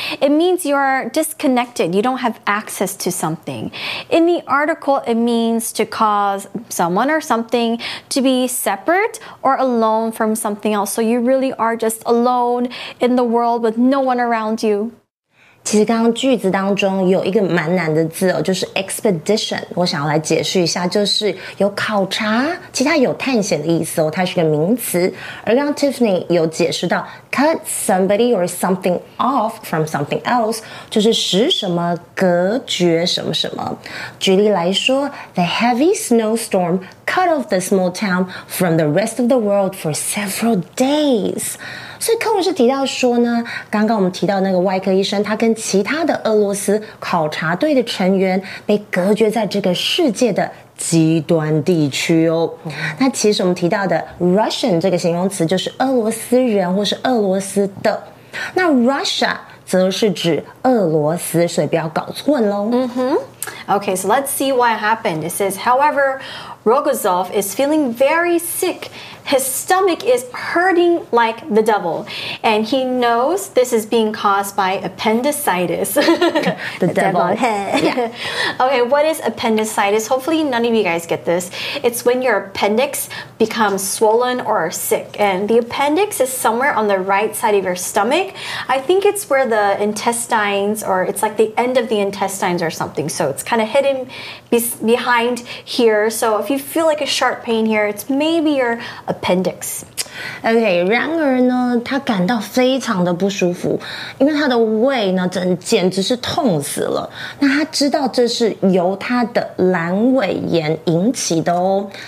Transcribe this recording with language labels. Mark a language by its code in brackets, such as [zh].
[en] It means you are disconnected. You don't have access to something. In the article, it means to cause someone or something to be separate or alone from something else. So you really are just alone in the world with no one around you. [zh] 其实刚刚句子当中有一个蛮难的字哦，就是 expedition， 我想要来解释一下，就是有考察，其他有探险的意思哦，它是个名词。而刚刚 Tiffany 有解释到 [en] cut somebody or something off from something else， [zh] 就是使什么隔绝什么什么。举例来说 [en] ，the heavy snowstorm cut off the small town from the rest of the world for several days。 [zh] 所以课文是提到说呢，刚刚我们提到那个外科医生，他跟其他的俄罗斯考察队的成员被隔绝在这个世界的极端地区哦。那其实我们提到的 Russian 这个形容词就是俄罗斯人或是俄罗斯的，那 Russia 则是指俄罗斯，所以不要搞混咯。 [en] 嗯哼。Okay, so let's see what happened. It says, however, Rogozov is feeling very sick. His stomach is hurting like the devil. And he knows this is being caused by appendicitis. the devil. Yeah. Okay, what is appendicitis? Hopefully none of you guys get this. It's when your appendix becomes swollen or sick. And the appendix is somewhere on the right side of your stomach. I think it's where the intestines, or it's like the end of the intestines or something. So it's kind of hidden behind here. So if you feel like a sharp pain here, it's maybe your appendix. [zh] Okay, 然而呢，他感到非常的不舒服，因为他的胃呢，简直是痛死了。那他知道这是由他的阑尾炎引起的哦。